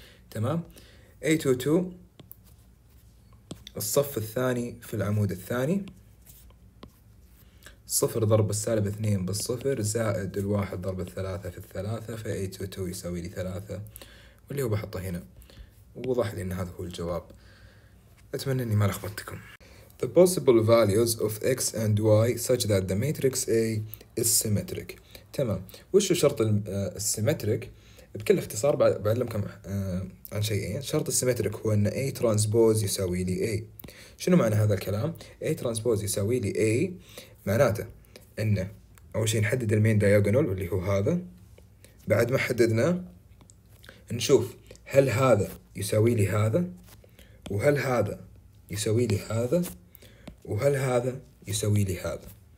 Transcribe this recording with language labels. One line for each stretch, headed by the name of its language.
Arabic: تمام، A22 الصف الثاني في العمود الثاني، صفر ضرب السالب اثنين بالصفر، زائد الواحد ضرب الثلاثة في الثلاثة، فـ A22 يساوي لي ثلاثة، واللي هو بحطه هنا، ووضح لي أن هذا هو الجواب. أتمنى أني ما لخبطتكم.
English: The possible values of X and Y such that the matrix A is symmetric.
Arabic: تمام، وش شرط السيمتريك؟ بكل اختصار بعلمكم عن شيئين. شرط السيمتريك هو أن A transpose يساوي لي A. شنو معنى هذا الكلام؟ A transpose يساوي لي A معناته أن أول شيء نحدد المين دياغونال اللي هو هذا، بعد ما حددنا نشوف هل هذا يساوي لي هذا، وهل هذا يساوي لي هذا، وهل هذا يساوي لي هذا.